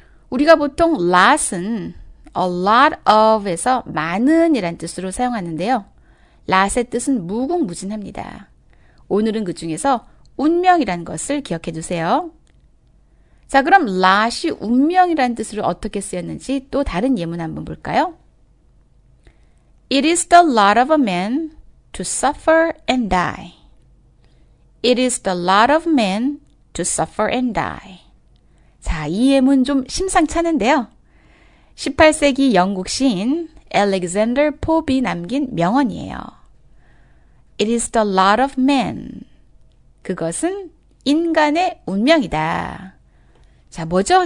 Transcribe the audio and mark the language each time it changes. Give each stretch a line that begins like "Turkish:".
Korean: 우리가 보통 lot은 a lot of에서 많은이란 뜻으로 사용하는데요. lot의 뜻은 무궁무진합니다. 오늘은 그 중에서 운명이란 것을 기억해 두세요. 자, 그럼 lot이 운명이란 뜻으로 어떻게 쓰였는지 또 다른 예문 한번 볼까요?
English: It is the lot of a man to suffer and die. It is the lot of men to suffer and die.
Korean: 자, 이 예문 좀 심상찮은데요. 18세기 영국 시인 알렉산더 폽이 남긴 명언이에요.
English: It is the lot of men.
Korean: 그것은 인간의 운명이다. 자, 뭐죠?